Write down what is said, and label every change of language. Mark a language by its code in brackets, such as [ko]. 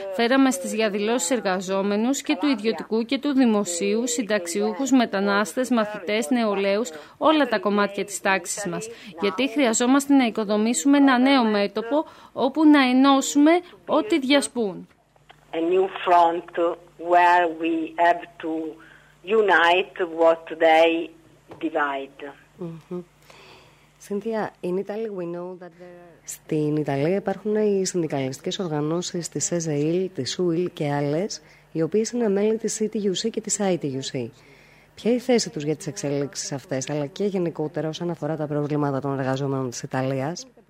[el] Φέραμε στις διαδηλώσεις εργαζόμενους και του ιδιωτικού και του δημοσίου, συνταξιούχους, μετανάστες, μαθητές, νεολαίους, όλα τα κομμάτια της τάξης μας. Γιατί χρειαζόμαστε να οικοδομήσουμε ένα νέο μέτωπο όπου να ενώσουμε ό,τι διασπούν. [en] A new front where we have to unite what they divide. Cynthia, in Italy we know that there are... [el] Στην Ιταλία υπάρχουν οι συνδικαλιστικές οργανώσεις της ΣΕΖΕΙΛ, της ΟΥΙΛ και άλλες, οι οποίες είναι μέλη της CTUC και της ITUC. Ποια είναι η θέση τους για τις εξελίξεις αυτές, αλλά και γενικότερα όσον αφορά τα προβλήματα των εργαζόμενων της Ιταλίας?